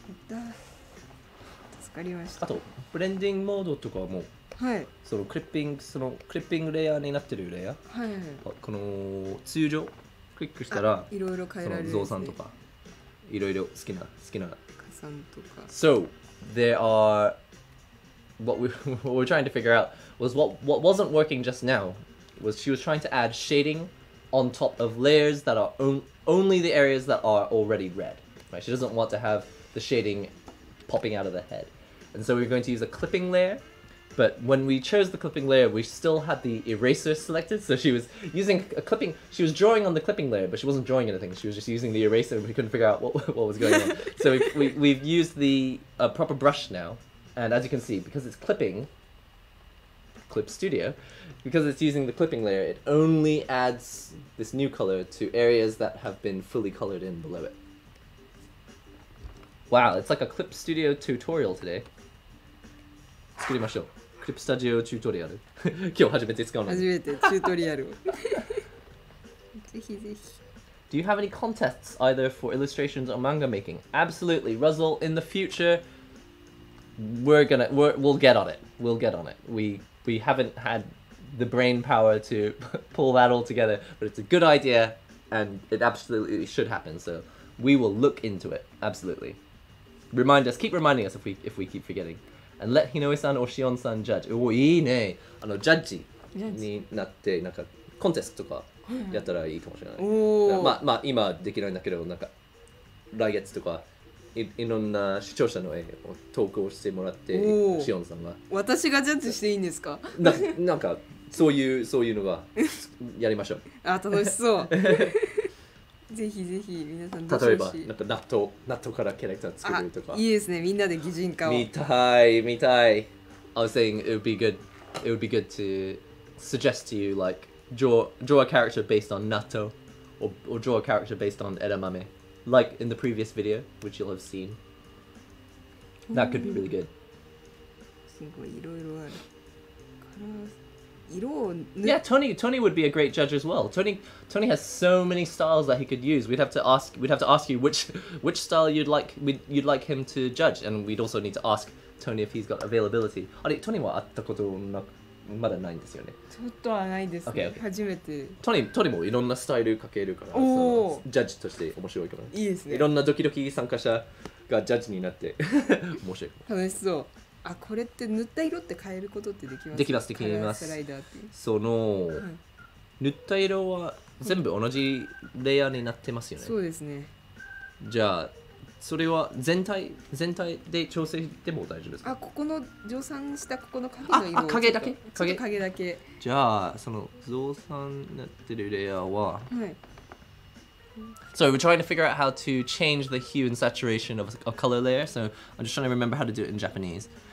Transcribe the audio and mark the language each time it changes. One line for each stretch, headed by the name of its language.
Japanese: やった。助かりました。あと、ブレンディングモードとかはもう、はい、そのクリッピング、そのクリッピングレイヤーになってるレイヤー。はい、この通常。クリックしたら、いろいろ変えられる、ね、増産とか、いろいろ好きな好きな加算とか。
English: So there are what we're trying to figure out was what wasn't working just now was she was trying to add shading on top of layers that are only the areas that are already red. Right? She doesn't want to have the shading popping out of the head, and so we're going to use a clipping layer. But when we chose the clipping layer, we still had the eraser selected. So she was using a clipping. She was drawing on the clipping layer, but she wasn't drawing anything. She was just using the eraser, and we couldn't figure out what was going on. So we've used the proper brush now, and as you can see, because it's clipping, Clip Studio, because it's using the clipping layer, it only adds this new color to areas that have been fully colored in below it. Wow, it's like a Clip Studio tutorial today.
Japanese: 作りましょう。クリップスタジオチュートリアル。今日初めて使うの。初めてチュートリアルを。ぜひぜひ。
English: Do you have any contests either for illustrations or manga making? Absolutely, Ruzzle. In the future, we'll get on it. We'll get on it. We haven't had the brain power to pull that all together, but it's a good idea, and it absolutely should happen. So we will look into it. Absolutely. Remind us. Keep reminding us if we keep forgetting. And let Hinoe-san or Shion-san judge.
Japanese: おー、いいね。あの、ジャッジになって、なんか、コンテストとかやったらいいかもしれない。おー。まあ、今できないんだけど、なんか、来月とか、いろんな視聴者の絵を投稿してもらって、Shion-san が。私がジャッジしていいんですか？なんか、そういうのは、やりましょう。あ、楽しそう。ぜひぜひ皆さん例えばなんか納豆からキャラクター作るとかいいですねみんなで擬人化を見たい
English: I was saying it would be good to suggest to you like draw a character based on natto or draw a character based on edamame like in the previous video which you'll have seen that could be really good
Japanese: すごいいろいろあるから色を塗
English: っ yeah, Tony would be a great judge as well. Tony has so many styles that he could use. We'd have to ask you which style you'd like him to judge, and we'd also need to ask Tony if he's got availability.
Japanese: あれ、Tony は会ったことまだないんですよね。ちょっとはないですね。 Okay. 初めて。 Tony もいろんなスタイル描けるから、ジャッジとして面白いかな。いいですね。いろんなドキドキ参加者がジャッジになって面白いかも。楽しそう。あ、これって塗った色って変えることってできます？できます、できます。カラースライダーって。その、はい、塗った色は全部同じレイヤーになってますよね。そうですね。じゃあそれは全体で調整でも大丈夫ですか？あ、ここの増産したここの影の色をちょっと。あ、影だけ？影だけ。じゃあその増産になってるレイヤーは。はい。
English: So we're trying to figure out how to change the hue and saturation of a color layer. So I'm just trying to remember how to do it in Japanese.